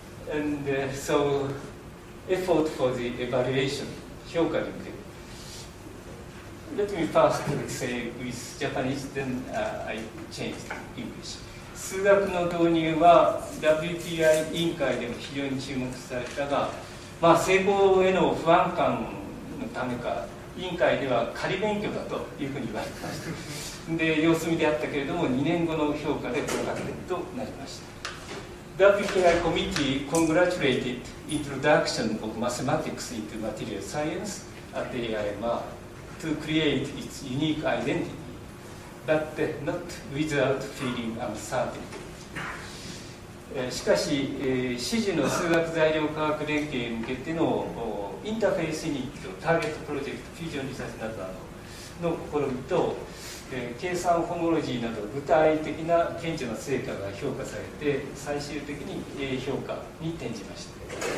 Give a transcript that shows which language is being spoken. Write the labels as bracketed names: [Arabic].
[English] And so, effort for the evaluation, [Japanese] 評価に向けて。 [English] Let me first say with Japanese, then I changed to English. [Japanese] 数学の導入は WTI 委員会でも非常に注目されたが、まあ、成功への不安感のためか、委員会では仮勉強だというふうに言われました。で、様子見であったけれども、2年後の評価で合格点となりました。 [English] WTI committee congratulated introduction of mathematics into material science at the AIMR to create its unique identity, but not without feeling uncertain. [Japanese] しかし、指示の数学材料科学連携に向けてのインターフェースユニット、ターゲットプロジェクト、フュージョンリサーチなどの試みと、計算ホモロジーなど具体的な顕著な成果が評価されて最終的に A 評価に転じました。